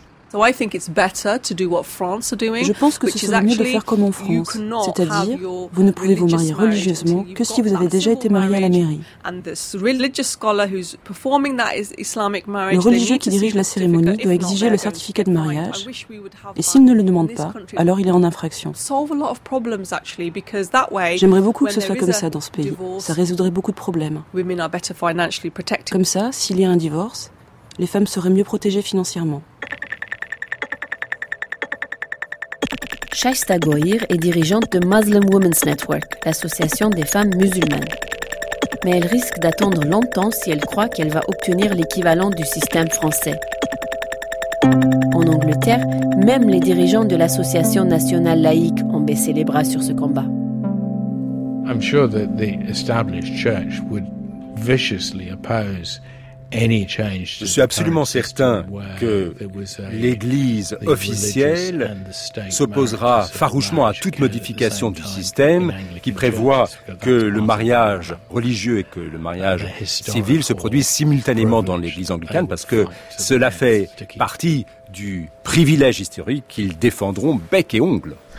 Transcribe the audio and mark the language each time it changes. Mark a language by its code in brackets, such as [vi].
[en] So I think it's better to do what France are doing. [fr] Je pense que ce serait mieux de faire comme en France, c'est-à-dire vous ne pouvez vous marier religieusement que si vous avez déjà été marié à la mairie. [en] And the religious scholar who's performing that is Islamic marriage. [fr] Le religieux qui dirige la cérémonie doit exiger le certificat de mariage. Et s'il ne le demande pas, alors il est en infraction. J'aimerais beaucoup que ce soit comme ça dans ce pays. Ça résoudrait beaucoup de problèmes. Comme ça, s'il y a un divorce, les femmes seraient mieux protégées financièrement. Shaista Goyir est dirigeante de Muslim Women's Network, l'association des femmes musulmanes. Mais elle risque d'attendre longtemps si elle croit qu'elle va obtenir l'équivalent du système français. En Angleterre, même les dirigeants de l'association nationale laïque ont baissé les bras sur ce combat. [en] I'm sure that the established church would viciously oppose. [fr] Je suis absolument certain que l'Église officielle s'opposera farouchement à toute modification du système qui prévoit que le mariage religieux et que le mariage civil se produisent simultanément dans l'Église anglicane parce que cela fait partie du privilège historique qu'ils défendront bec et ongle.